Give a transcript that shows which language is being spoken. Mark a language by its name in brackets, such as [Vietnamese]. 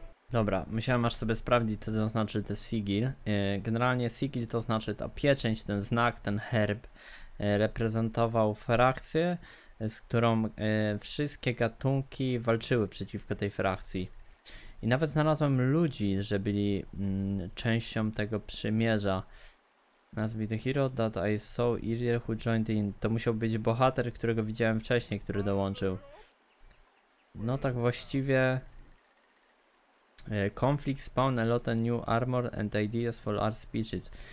[Polish] dobra, musiałem aż sobie sprawdzić, co to znaczy ten sigil. Generalnie sigil to znaczy ta pieczęć, ten znak, ten herb. Reprezentował frakcję, z którą wszystkie gatunki walczyły przeciwko tej frakcji. I nawet znalazłem ludzi, że byli częścią tego przymierza. [English] Must be the hero that I saw earlier who joined in. [Polish] To musiał być bohater, którego widziałem wcześniej, który dołączył. No tak właściwie... [English] Conflict spawned a lot of new armor and ideas for our species.